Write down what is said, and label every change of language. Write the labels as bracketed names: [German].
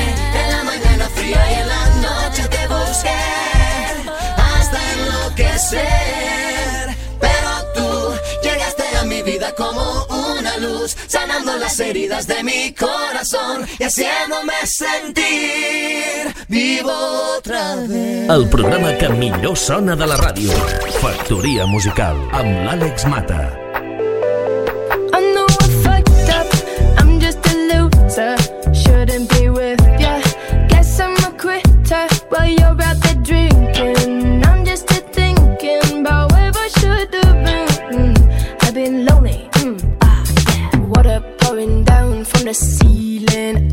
[Spanish] En la mañana fría y en la noche te busqué hasta enloquecer, pero tú llegaste a mi vida como una luz, sanando las heridas de mi corazón y haciéndome sentir vivo otra vez. [Catalan] El programa que millor sona de la ràdio. Factoria Musical, amb l'Àlex Mata. [English] I know I fucked up, I'm just a loser. Shouldn't be with ya, guess I'm a quitter. While you're out there drinking, I'm just a thinking about where I should have been. I've been lonely, Water pouring down from the ceiling.